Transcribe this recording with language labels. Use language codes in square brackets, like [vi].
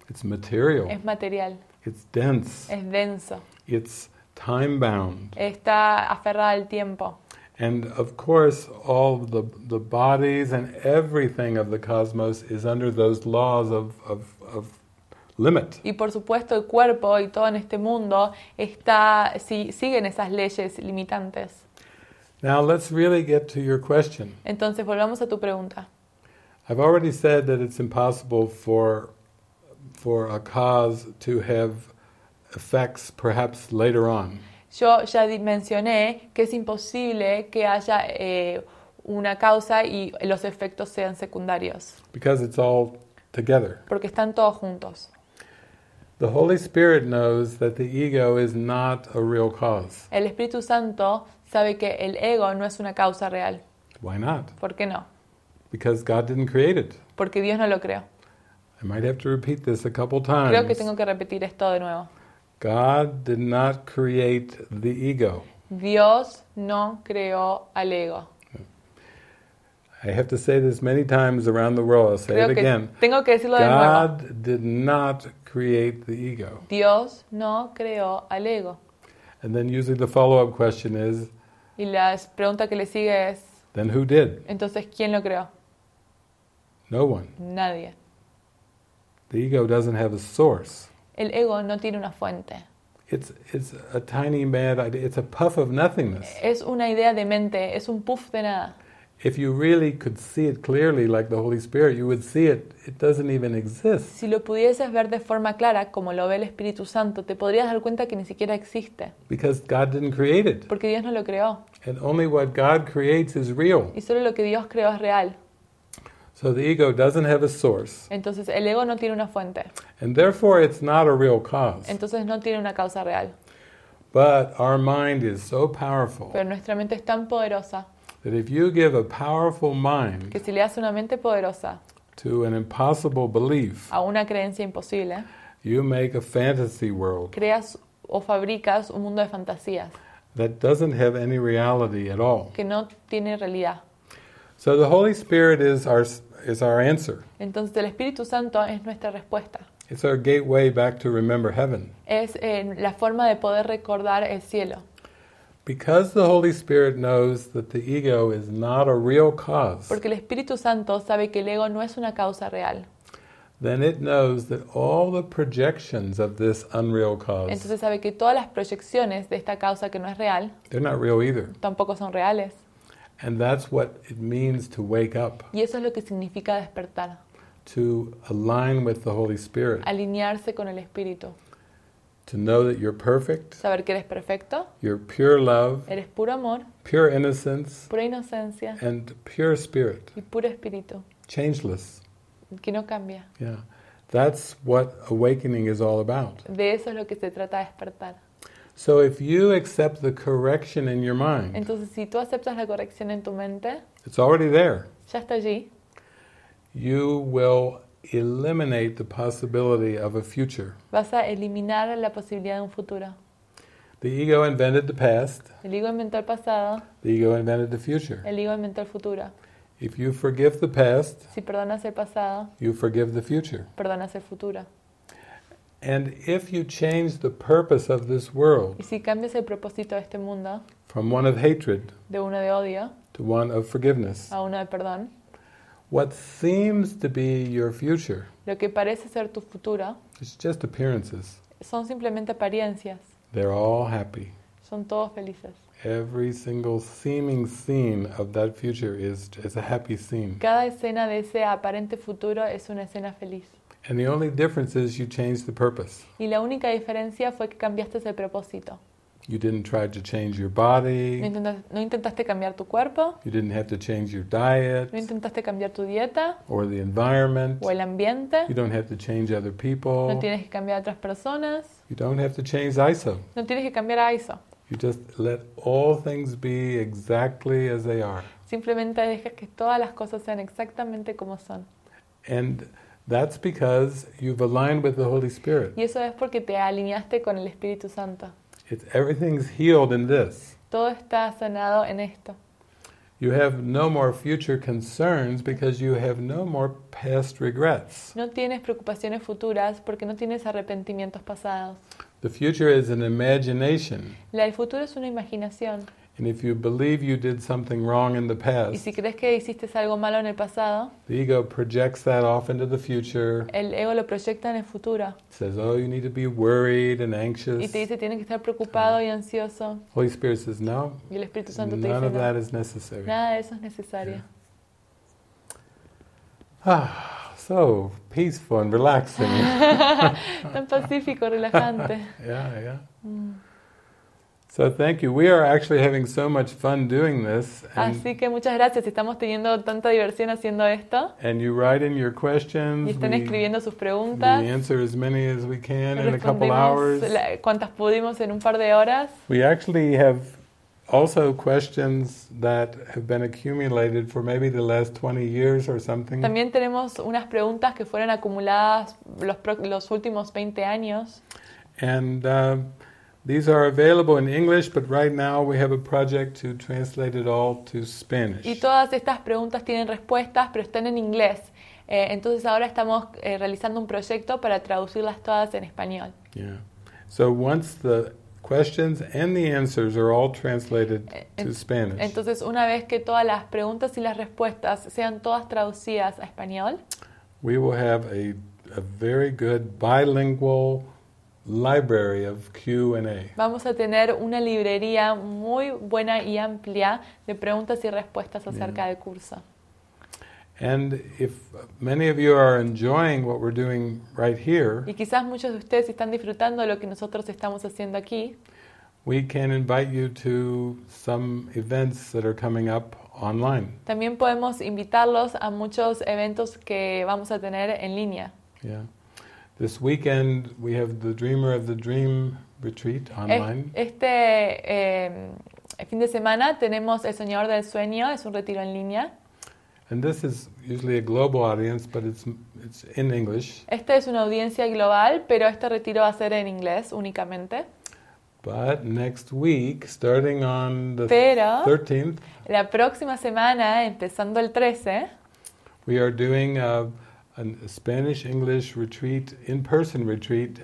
[en] It's material. [es] Es material. [en] It's dense. [es] Es denso. [en] It's time bound. [es] Está aferrada al tiempo. [en] And of course, all the bodies and everything of the cosmos is under those laws of limit. [es] Y por supuesto, el cuerpo y todo en este mundo está siguen esas leyes limitantes. [en] Now let's really get to your question. [es] Entonces volvamos a tu pregunta. [en] I've already said that it's impossible for a cause to have effects perhaps later on. [es] Yo ya mencioné que es imposible que haya una causa y los efectos sean secundarios. [en] Because it's all together. [es] Porque están todos juntos. [en] The Holy Spirit knows that the ego is not a real cause. [es] El Espíritu Santo sabe que el ego no es una causa real. [en] Why not? [es] ¿Por qué no? [en] Because God didn't create it. [es] Porque Dios no lo creó. [en] I might have to repeat this a couple times. [es] Creo que tengo que repetir esto de nuevo. [en] God did not create the ego. [es] Dios no creó al ego. [en] I have to say this many times around the world. I'll say [es] Creo [en] it again. [es] Tengo que decirlo [en] God [es] de nuevo. [en] God did not create the ego. [es] Dios no creó al ego. [en] And then usually the follow-up question is. [es] Y la pregunta que le sigue es. [en] Then who did? [es] Entonces, ¿quién lo creó? [en] No one. [es] Nadie. [en] The ego doesn't have a source. [es] El ego no tiene una fuente. [en] It's a tiny mad idea. It's a puff of nothingness. [es] Es una idea de mente. Es un puff de nada. [en] If you really could see it clearly, like the Holy Spirit, you would see it. It doesn't even exist. [es] Si lo pudieses ver de forma clara, como lo ve el Espíritu Santo, te podrías dar cuenta que ni siquiera existe. [en] Because God didn't create it. [es] Porque Dios no lo creó. [en] And only what God creates is real. [es] Y solo lo que Dios creó es real. [en] So the ego doesn't have a source. [es] Entonces el ego no tiene una fuente. [en] And therefore it's not a real cause. [es] Entonces no tiene una causa real. [en] But our mind is so powerful. [es] Pero nuestra mente es tan poderosa. [en] That if you give a powerful mind. [es] Que si le das una mente poderosa. [en] To an impossible belief. [es] A una creencia imposible. [en] You make a fantasy world. [es] Creas o fabricas un mundo de fantasías. [en] That doesn't have any reality at all. [es] Que no tiene realidad. [en] So the Holy Spirit is our answer. [es] Entonces el Espíritu Santo es nuestra respuesta. [en] It's our gateway back to remember heaven. [es] Es la forma de poder recordar el cielo. [en] Because the Holy Spirit knows that the ego is not a real cause. [es] Porque el Espíritu Santo sabe que el ego no es una causa real. [en] Then it knows that all the projections of this unreal cause. [es] Entonces sabe que todas las proyecciones de esta causa que no es real. [en] They're not real either. [es] Tampoco son reales. [en] And that's what it means to wake up. [es] Y eso es lo que significa despertar. [en] To align with the Holy Spirit. [es] Alinearse con el Espíritu. [en] To know that you're perfect. [es] Saber que eres perfecto. [en] You're pure love. [es] Eres puro amor. [en] Pure innocence. [es] Pura inocencia. [en] And pure spirit. [es] Y puro espíritu. [en] Changeless. [es] Que no cambia. [en] Yeah. That's what awakening is all about. [es] De eso es lo que se trata de despertar. [en] So if you accept the correction in your mind, [es] entonces si tú aceptas la corrección en tu mente, [en] it's already there. [es] Ya está allí. [en] You will eliminate the possibility of a future. [es] Vas a eliminar la posibilidad de un futuro. [en] The ego invented the past. [es] El ego inventó el pasado. [en] The ego invented the future. [es] El ego inventó el futuro. [en] If you forgive the past, [es] si perdonas el pasado, [en] you forgive the future. [es] Perdonas el futuro. [en] And if you change the purpose of this world, [es] y si cambias el propósito de este mundo, [en] from one of hatred, [es] de uno de odio, [en] to one of forgiveness, [es] a uno de perdón, [en] what seems to be your future, [es] lo que parece ser tu futuro, [en] it's just appearances. [es] Son simplemente apariencias. [en] They're all happy. [es] Son todos felices. [en] Every single seeming scene of that future is a happy scene. [es] Cada escena de ese aparente futuro es una escena feliz. [en] And the only difference is you changed the purpose. [es] Y la única diferencia fue que cambiaste el propósito. [en] You didn't try to change your body. [es] No intentaste cambiar tu cuerpo. [en] You didn't have to change your diet. [es] No intentaste cambiar tu dieta. [en] Or the environment. [es] O el ambiente. [en] You don't have to change other people. [es] No tienes que cambiar a otras personas. [en] You don't have to change ISO. [es] No tienes que cambiar a ISO. [en] You just let all things be exactly as they are. [es] Simplemente dejas que todas las cosas sean exactamente como son. [en] And that's because you've aligned with the Holy Spirit. [es] Y eso es porque te alineaste con el Espíritu Santo. [en] It's everything's healed in this. [es] Todo está sanado en esto. [en] You have no more future concerns because you have no more past regrets. [es] No tienes preocupaciones futuras porque no tienes arrepentimientos pasados. [en] The future is an imagination. [es] El futuro es una imaginación. [en] And if you believe you did something wrong in the past, [es] y si crees que hiciste algo malo en el pasado, [en] the ego projects that off into the future. [es] El ego lo proyecta en el futuro. [en] It says, "Oh, you need to be worried and anxious." [es] Y te dice, tienes que estar preocupado y ansioso. [en] Holy Spirit says, "No." [es] Y el Espíritu Santo te dice, [en] "None of that is necessary." [es] Nada de eso es necesario. [en] Yeah. Ah, so peaceful and relaxing. [es] Tan pacífico, relajante. [en] Yeah. So thank you. We are actually having so much fun doing this. [es] And así que muchas gracias. Estamos teniendo tanta diversión haciendo esto. [en] And you write in your questions. [es] Y están escribiendo sus preguntas. [en] We answer as many as we can in a couple hours. [es] Cuantas pudimos en un par de horas. [en] We actually have also questions that have been accumulated for maybe the last 20 years or something. [es] También tenemos unas preguntas que fueron acumuladas los últimos 20 años. [en] And these are available in English, but right now we have a project to translate it all to Spanish. [es] Y todas estas preguntas tienen respuestas, pero están en inglés. Entonces ahora estamos realizando un proyecto para traducirlas todas en español. [en] Yeah. So once the questions and the answers are all translated to Spanish. [es] Entonces una vez que todas las preguntas y las respuestas sean todas traducidas a español, [en] we will have a very good bilingual library of Q&A. [es] Vamos a tener una librería muy buena y amplia de preguntas y respuestas acerca del curso. [en] And if many of you are enjoying what we're doing right here, [es] y quizás muchos de ustedes están disfrutando de lo que nosotros estamos haciendo aquí, [en] we can invite you to some events that are coming up online. [es] También podemos invitarlos a muchos eventos que vamos a tener en línea. [en] Yeah. This weekend we have the Dreamer of the Dream retreat online. [es] Este fin de semana tenemos el Soñador del Sueño, es un retiro en línea. [en] And this is usually a global audience, but it's in English. [es] Esta es una audiencia global, pero este retiro va a ser en inglés únicamente. [en] But next week, starting on the 13th, [es] la próxima semana, empezando el 13, [en] we are doing a Spanish English retreat, in person retreat,